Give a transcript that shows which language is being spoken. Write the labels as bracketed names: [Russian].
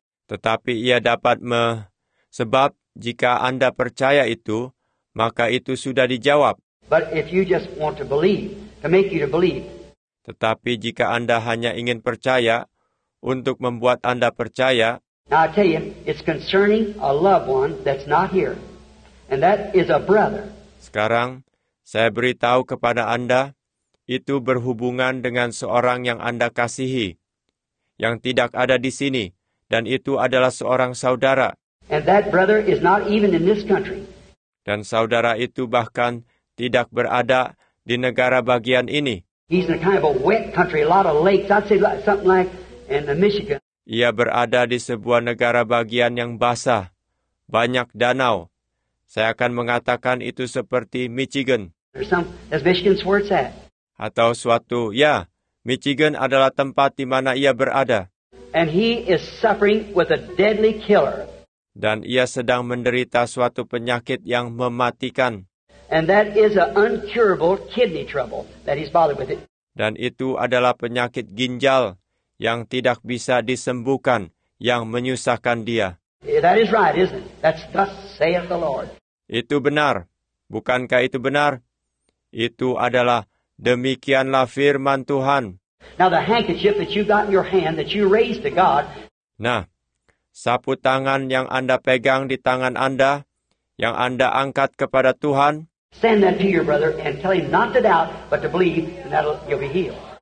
[Indonesian] Tetapi ia dapat sebab jika Anda percaya itu, maka itu sudah dijawab. [English] But if you just want to believe, to make you to believe. [Indonesian] Tetapi jika Anda hanya ingin percaya, untuk membuat Anda percaya. [English] Now I tell you, it's concerning a loved one that's not here. And that is a brother. [Indonesian] Sekarang, saya beritahu kepada Anda, itu berhubungan dengan seorang yang Anda kasihi, yang tidak ada di sini, dan itu adalah seorang saudara. [English] And that brother is not even in this country. [Indonesian] Dan saudara itu bahkan tidak berada di negara bagian ini. [English] He's in a kind of a wet country, a lot of lakes, I'd say something like in the Michigan. [Indonesian] Ia berada di sebuah negara bagian yang basah, banyak danau. Saya akan mengatakan itu seperti Michigan. [English] Is Michigan where it's at? [Indonesian] Atau suatu, ya, Michigan adalah tempat di mana ia berada. [English] And he is suffering with a deadly killer. [Indonesian] Dan ia sedang menderita suatu penyakit yang mematikan. [English] And that is an uncurable kidney trouble that he's bothered with it. [Indonesian] Dan itu adalah penyakit ginjal yang tidak bisa disembuhkan, yang menyusahkan dia. [English] That is right, isn't it? That's thus saith the Lord. [Indonesian] Itu benar. Bukankah itu benar? Itu adalah demikianlah firman Tuhan. [English] Now the handkerchief that you got in your hand that you raised to God. [Indonesian] Nah, sapu tangan yang Anda pegang di tangan Anda, yang Anda angkat kepada Tuhan. [English] Send that to your brother and tell him not to doubt, but to believe, and that'll you'll be healed.